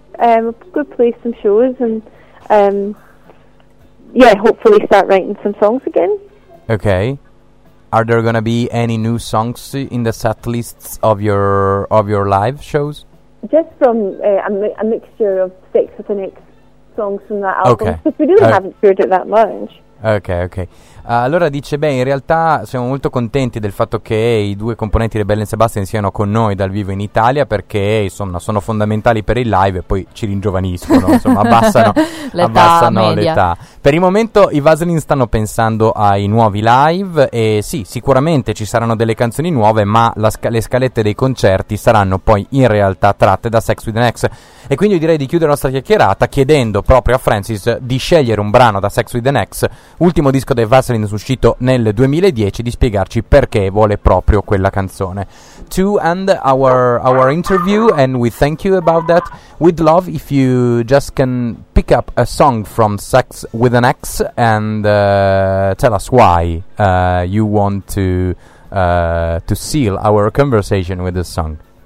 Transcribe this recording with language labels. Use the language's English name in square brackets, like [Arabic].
[English] We're going to play some shows and hopefully start writing some songs again. Okay. Are there going to be any new songs in the set lists of your live shows? Just from a mixture of Sex with an X songs from that album. Okay. We really haven't heard it that much. Ok. [Italian] Allora dice, beh, in realtà siamo molto contenti del fatto che i due componenti di Belle e Sebastian siano con noi dal vivo in Italia, perché insomma sono fondamentali per il live e poi ci ringiovaniscono, insomma abbassano l'età. Per il momento i Vaseline stanno pensando ai nuovi live, e sì, sicuramente ci saranno delle canzoni nuove, ma le scalette dei concerti saranno poi in realtà tratte da Sex with an X. E quindi io direi di chiudere la nostra chiacchierata chiedendo proprio a Francis di scegliere un brano da Sex with an X, ultimo disco dei Vaseline uscito nel 2010, di spiegarci perché vuole proprio quella canzone. [English] To end our interview, and we thank you about that, we'd love if you just can pick up a song from Sex with an X and tell us why you want to seal our conversation with this song.